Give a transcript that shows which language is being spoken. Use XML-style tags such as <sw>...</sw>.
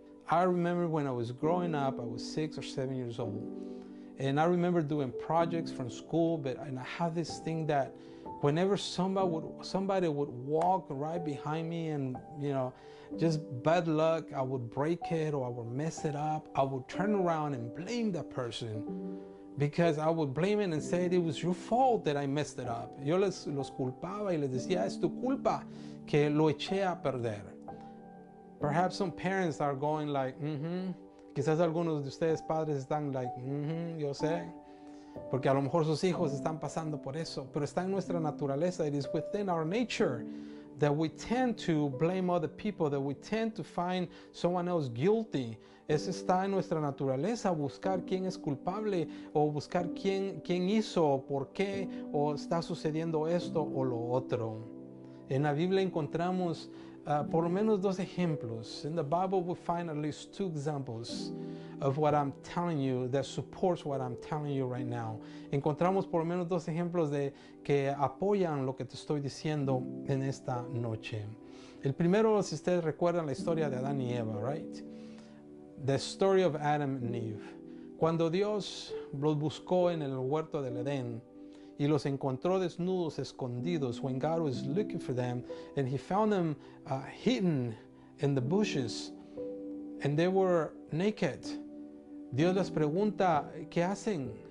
<en>I remember when I was growing up, I was 6 or 7 years old, and I remember doing projects from school, and I had this thing that whenever somebody would walk right behind me and, you know, just bad luck, I would break it or I would mess it up, I would turn around and blame that person, because I would blame it and say it was your fault that I messed it up.</en> <es>Yo los culpaba y les decía, es tu culpa que lo eché a perder.</es> <en>Perhaps some parents are going like,</en> <es>Quizás algunos de ustedes padres están like, yo sé. Porque a lo mejor sus hijos están pasando por eso. Pero está en nuestra naturaleza.</es> <en>It is within our nature that we tend to blame other people, that we tend to find someone else guilty.</en> <es>Eso está en nuestra naturaleza, buscar quién es culpable o buscar quién hizo, por qué, o está sucediendo esto o lo otro. En la Biblia encontramos por lo menos 2 ejemplos.</es> <en>In the Bible we find at least 2 examples of what I'm telling you that supports what I'm telling you right now.</en> <es>Encontramos por lo menos 2 ejemplos de que apoyan lo que te estoy diciendo en esta noche. El primero, si ustedes recuerdan la historia de Adán y Eva,</es> <en>right? The story of Adam and Eve.</en> <es>Cuando Dios los buscó en el huerto del Edén y los encontró desnudos, escondidos,</es> <en>when God was looking for them and he found them hidden in the bushes and they were naked,</en> <es>Dios les pregunta, ¿qué hacen?</es>